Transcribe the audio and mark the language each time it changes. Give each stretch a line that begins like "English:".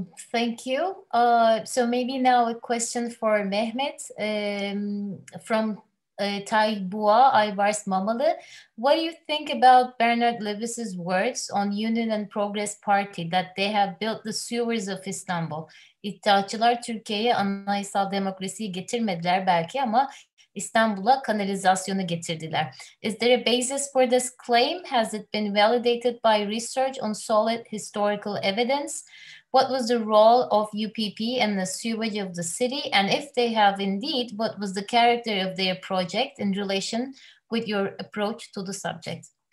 English: Thank you. So maybe now a question for Mehmet from Taybua Aybars Mamalı. What do you think about Bernard Lewis's words on Union and Progress Party that they have built the sewers of Istanbul?
Turkish: İttihatçılar Türkiye'ye anayasal demokrasiyi getirmediler belki ama İstanbul'a kanalizasyonu getirdiler.
English: Is there a basis for this claim? Has it been validated by research on solid historical evidence? What was the role of UPP in the sewage of the city? And if they have indeed, what was the character of their project in relation with your approach to the subject?